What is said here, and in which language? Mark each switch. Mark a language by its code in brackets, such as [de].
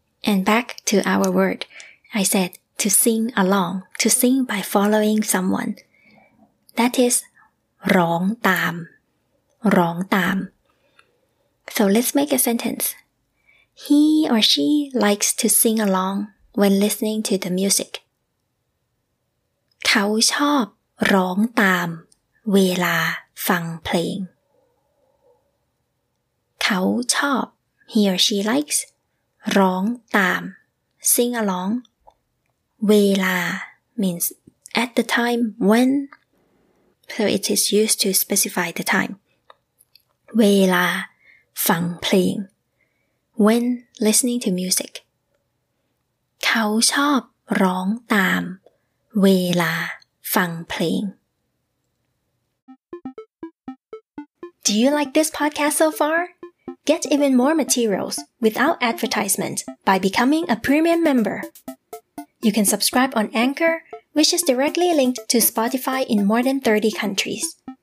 [en] And back to our word. I said to sing along, to sing by following someone. That is [th] ร้องตามร้องตาม [en] So let's make a sentence. He or she likes to sing along when listening to the music. [th] เขาชอบร้องตามเวลาฟังเพลง เขาชอบ [en] He or she likes [th] ร้องตาม [en] sing along. เวลา means at the time when. So it is used to specify the time. [th] เวลาฟังเพลง [en] when listening to music [th] เขาชอบร้องตามเวลาฟังเพลง [en] Do you like this podcast so far? Get even more materials without advertisement by becoming a premium member. You can subscribe on Anchor, which is directly linked to Spotify in more than 30 countries.